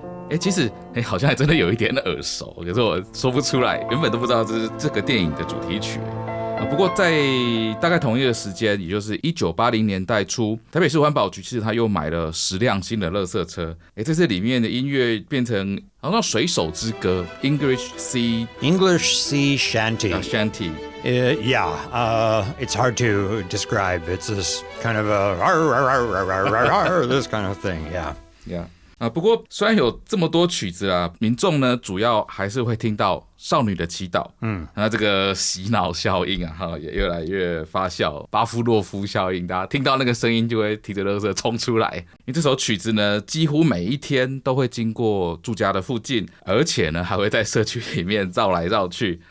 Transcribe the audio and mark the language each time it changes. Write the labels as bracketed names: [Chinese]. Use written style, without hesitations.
[Chinese] 欸、其实、欸、好像还真的有一点耳熟可是我说不出来原本都不知道这是这个电影的主题曲不过在大概同一个时间也就是1980年代初台北市环保局其实他又买了10辆新的垃圾车这次里面的音乐变成好像水手之歌 [English] English Sea Shanty Shanty It's hard to describe It's this kind of a This kind of thing Yeah [Chinese] 不过虽然有这么多曲子啦民众呢主要还是会听到少女的祈祷，嗯，那这个洗脑效应啊，哈，也越来越发酵。巴夫洛夫效应，大家听到那个声音就会提着垃圾冲出来。因为这首曲子呢，几乎每一天都会经过住家的附近，而且呢，还会在社区里面绕来绕去。